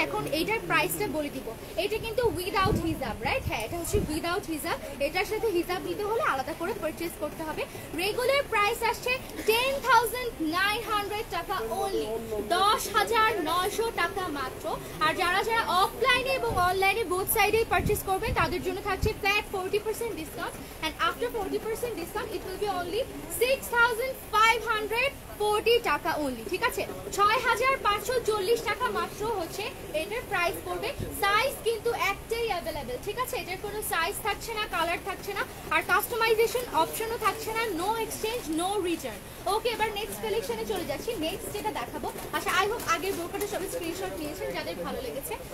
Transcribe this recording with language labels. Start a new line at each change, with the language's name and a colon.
Bangla: এখন এইটার প্রাইসটা বলে দিব, এটা কিন্তু উইদাউট হিজাব, রাইট, হ্যাঁ, এটা হচ্ছে উইদাউট হিজাব। এটার সাথে হিজাব নিতে হলে আলাদা করে পারচেজ করতে হবে। রেগুলার প্রাইস আসছে 10,900 টাকা অনলি, 10,900 টাকা মাত্র। আর যারা যারা অফলাইনে এবং অনলাইনে বোথ সাইডেই পারচেজ করবেন তাদের জন্য থাকছে flat
English: 40% discount, and after 40% discount it will be only 6,540 taka only.
Bangla: ঠিক আছে, 6,540 টাকা মাত্র হচ্ছে এটার প্রাইস পড়বে। সাইজ কিন্তু একটাই অ্যাভেলেবল, ঠিক আছে, এটার কোনো সাইজ থাকছে না, কালার থাকছে না, আর কাস্টমাইজেশন অপশনও থাকছে না,
English: No exchange no return.
Bangla: ওকে, এবার নেক্সট কালেকশনে চলে যাচ্ছি, নেক্সট যেটা দেখাবো। আচ্ছা,
English: I hope
Bangla: আগের বোরকাটা সবাই স্ক্রিনশট নিয়েছেন যাদের ভালো লেগেছে।